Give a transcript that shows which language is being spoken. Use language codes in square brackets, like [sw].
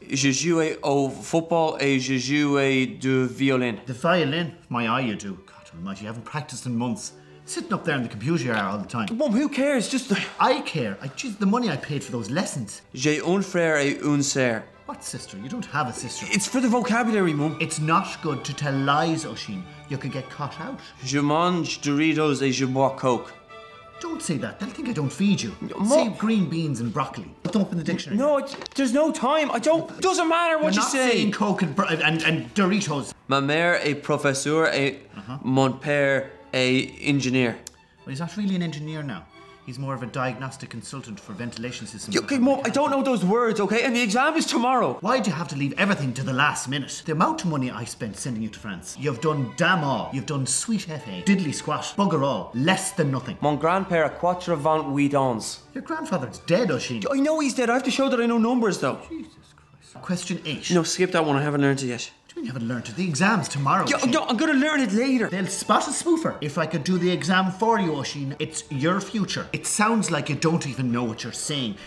[fr] Je joue au football et je joue du violin. [en] The violin? My eye, you do. God almighty, you haven't practiced in months. Sitting up there in the computer you are all the time. Mum, who cares? Just the... I care. Jeez, the money I paid for those lessons. [fr] J'ai un frère et une sœur. [en] What sister? You don't have a sister. It's for the vocabulary, Mum. It's not good to tell lies, Oisin. You could get caught out. [fr] Je mange Doritos et je bois Coke. [en] Don't say that. They'll think I don't feed you. Say green beans and broccoli. Put them up in the dictionary. No, there's no time. I don't... doesn't matter what You're you say. You're not saying Coke and Doritos. [fr] Ma mère est professeur et mon père est engineer. [en] Well, he's not really an engineer now. He's more of a diagnostic consultant for ventilation systems. Okay, Mum, I don't know those words, okay? And the exam is tomorrow. Why do you have to leave everything to the last minute? The amount of money I spent sending you to France. You've done damn all. You've done sweet FA, diddly squat, bugger all, less than nothing. [fr] Mon grand-père a quatre vingt huit ans. [en] Your grandfather's dead, Oisin. I know he's dead. I have to show that I know numbers, though. Jesus Christ. Question 8. No, skip that one. I haven't learned it yet. You haven't learned it. The exam's tomorrow. No, I'm gonna learn it later. They'll spot a spoofer. If I could do the exam for you, Oisin, it's your future. It sounds like you don't even know what you're saying.